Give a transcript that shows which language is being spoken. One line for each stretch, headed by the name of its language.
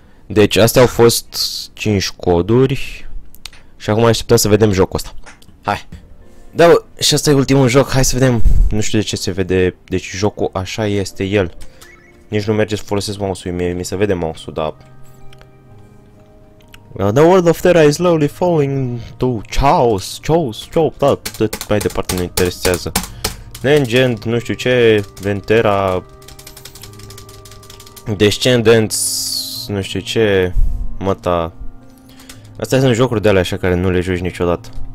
Romanian: Deci, astea au fost 5 coduri. Și acum așteptăm să vedem jocul ăsta. Hai. Da, bă, și asta e ultimul joc. Hai să vedem. Nu știu de ce se vede. Deci, jocul așa este el. Nici nu merge să folosesc mouse-ul. Mi se vede mouse-ul, da.
English: The world of Terra is slowly falling to chaos. Chaos, chaos.
Romanian: Da, mai departe nu interesează. Legend, nu știu ce. Ventera. Descendants, nu știu ce, măta. Astea sunt jocuri de alea așa care nu le joci niciodată.